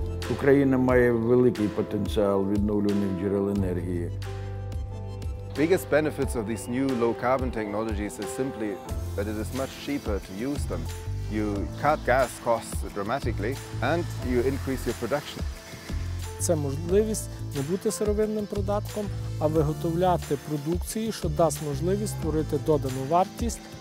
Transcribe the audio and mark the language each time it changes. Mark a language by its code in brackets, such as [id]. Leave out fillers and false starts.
[uk] Україна має великий потенціал відновлюваних джерел енергії. [en] Biggest benefits of these new low carbon technologies is simply that it is much cheaper to use them. You cut gas costs dramatically and you increase your production. [uk] Це можливість не бути сировинним придатком, а виготовляти продукцію, що дасть можливість створити додану вартість.